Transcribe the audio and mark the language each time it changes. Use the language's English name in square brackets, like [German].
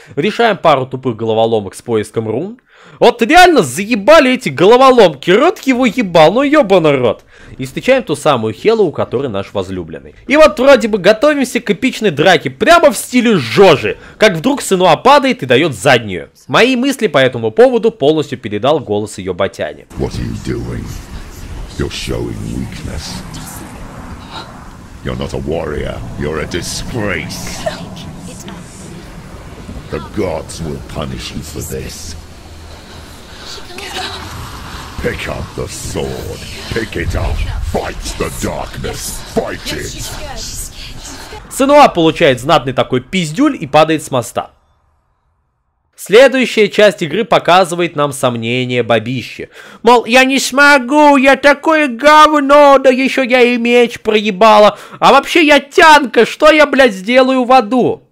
[Russian] Решаем пару тупых головоломок с поиском рун. Вот реально заебали эти головоломки, рот его ебал, ну ебаный рот. И встречаем ту самую Хелу, у которой наш возлюбленный. И вот вроде бы готовимся к эпичной драке, прямо в стиле Жожи, как вдруг сынуа падает и дает заднюю. Мои мысли по этому поводу полностью передал голос ее батяне. [English] What are you doing? You're showing weakness. You're not a warrior, you're a disgrace. The gods will punish you for this. Pick up the sword, pick it up, fight the darkness, fight it! [Russian] Сынуа получает знатный такой пиздюль и падает с моста. Следующая часть игры показывает нам сомнение бабищи. Мол, я не смогу, я такое говно, да еще я и меч проебала. А вообще я тянка, что я, блядь, сделаю в аду?